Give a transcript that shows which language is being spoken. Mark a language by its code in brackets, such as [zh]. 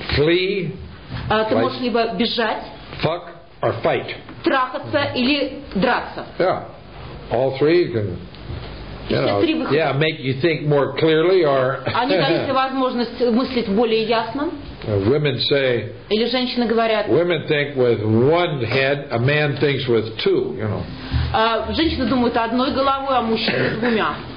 [en] Flee. [ru] Ты можешь либо бежать. [en] Fuck or fight. [ru] Трахаться или драться. [en] Yeah, all three can. Yeah, make you think more clearly, or. [ru] Они дают тебе возможность мыслить более ясно. [en] Women say. [ru] Или женщины говорят. [en] Women think with one head, a man thinks with two. You know. [ru] Женщины думают одной головой, а мужчины двумя.